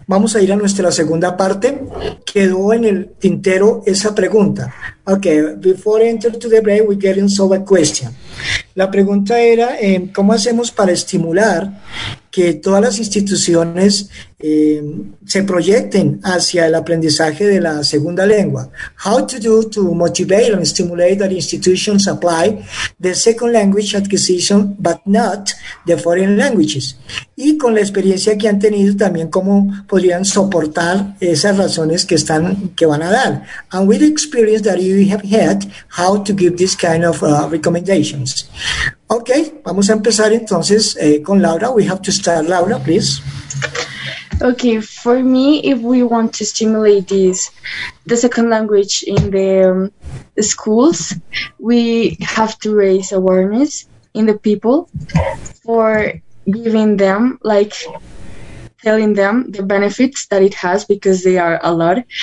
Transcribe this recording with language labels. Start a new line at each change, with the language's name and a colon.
Spanish: Vamos a ir a nuestra segunda parte. Quedó en el tintero esa pregunta.
English: Okay, before I enter to the break, we get into a question.
Spanish: La pregunta era, ¿cómo hacemos para estimular que todas las instituciones se proyecten hacia el aprendizaje de la segunda lengua?
English: How to do to motivate and stimulate that institutions apply the second language acquisition, but not the foreign languages?
Spanish: Y con la experiencia que han tenido también, ¿cómo podrían soportar esas razones que van a dar?
English: And with the experience that you have had, how to give this kind of recommendations?
Spanish: Okay, vamos a empezar entonces con Laura.
English: We have to start, Laura, please. Okay, for me, if we want to stimulate the second language in the schools, we have to raise awareness in the people for giving them, like telling them the benefits that it has, because they are a lot.